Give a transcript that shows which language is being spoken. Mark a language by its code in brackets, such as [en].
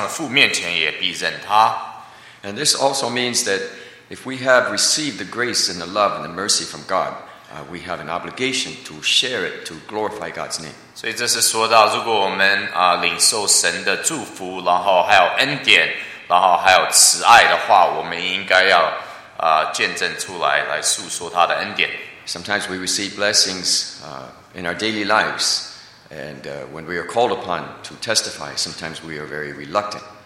[zh] 所以在这边主耶稣基督说到说，凡在人面前认我的，我在他在天上的父面前也必认他。 [en] And this also means that if we have received the grace and the love and the mercy from God, we have an obligation to share it, to glorify God's name. [zh] 所以这是说到，如果我们领受神的祝福，然后还有恩典，然后还有慈爱的话，我们应该要见证出来，来述说他的恩典。 [en] Sometimes we receive blessings in our daily lives, and when we are called upon to testify, sometimes we are very reluctant.